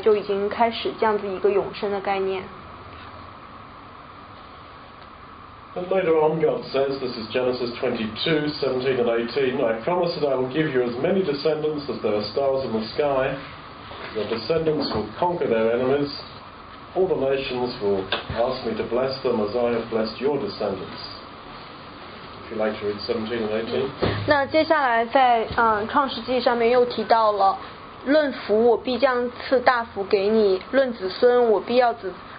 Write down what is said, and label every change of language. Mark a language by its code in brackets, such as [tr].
[zh] 那所以就是说，这个永生的这个概念，其实是从旧约创世纪时代就已经开始这样子一个永生的概念。 [en] But later on, God says, this is Genesis 22, 17 and 18, I promise that I will give you as many descendants as there are stars in the sky. Your descendants will conquer their enemies. All the nations will ask me to bless them as I have blessed your descendants. If you'd like to read 17 and 18. [zh] 那接下来在创世纪上面又提到了，论福我必将赐大福给你，论子孙我必要子。